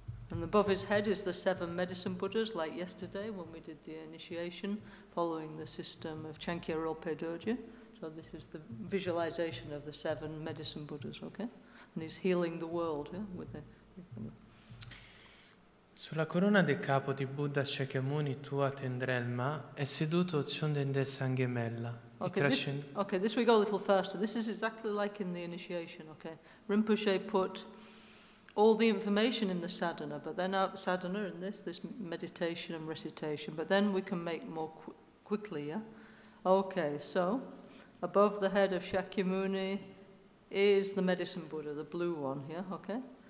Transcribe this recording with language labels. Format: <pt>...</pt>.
<en>And above his head is the seven medicine Buddhas, like yesterday when we did the initiation, following the system of Chankhya Rolpe Dorje. So this is the visualization of the seven medicine Buddhas, okay? And he's healing the world, yeah, with it.</en> <it>Sulla corona del capo di Buddha Shakyamuni tua tendrelma è seduto Chondende Sangemella.</it> <en>Okay, this we go a little faster. This is exactly like in the initiation, okay? Rinpoche put all the information in the sadhana, but then our sadhana in this meditation and recitation, but then we can make more quickly, yeah? Okay, so above the head of Shakyamuni is the medicine Buddha, the blue one here, okay?</en>